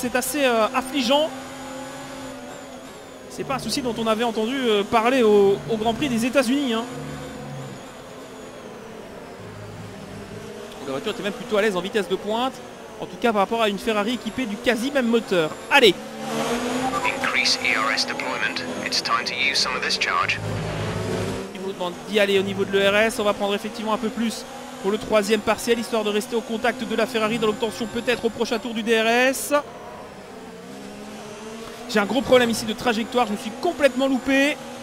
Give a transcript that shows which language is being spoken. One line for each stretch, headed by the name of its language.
French: C'est assez affligeant. C'est pas un souci dont on avait entendu parler au Grand Prix des États-Unis. Hein. La voiture était même plutôt à l'aise en vitesse de pointe. En tout cas par rapport à une Ferrari équipée du quasi même moteur. Allez!
English: Increase ERS deployment. It's time to use some of this charge.
French: Il vous demande d'y aller au niveau de l'ERS. On va prendre effectivement un peu plus pour le troisième partiel, histoire de rester au contact de la Ferrari dans l'obtention peut-être au prochain tour du DRS. J'ai un gros problème ici de trajectoire, je me suis complètement loupé.